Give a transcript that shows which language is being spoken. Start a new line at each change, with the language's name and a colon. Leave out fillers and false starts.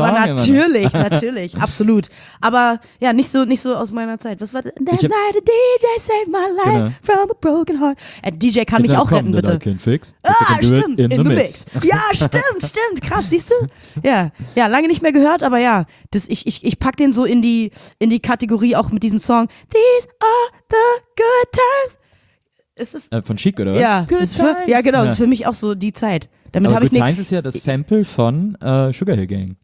German: Aber natürlich, natürlich, absolut. Aber ja, nicht so aus meiner Zeit. Was war das?
English: That night a DJ saved my life from a broken heart.
German: A DJ kann mich auch retten, bitte.
English: Can fix. In the mix.
German: Ja, stimmt. Krass, siehst du? Ja, lange nicht mehr gehört, aber ja. Ich pack den so in die Kategorie auch mit diesem Song.
English: These are the good times.
German: Ist das von Chic, oder was?
English: Ja, good times.
German: Das ist für mich auch so die Zeit. Damit aber Good Times ist ja das Sample von Sugar Hill Gang.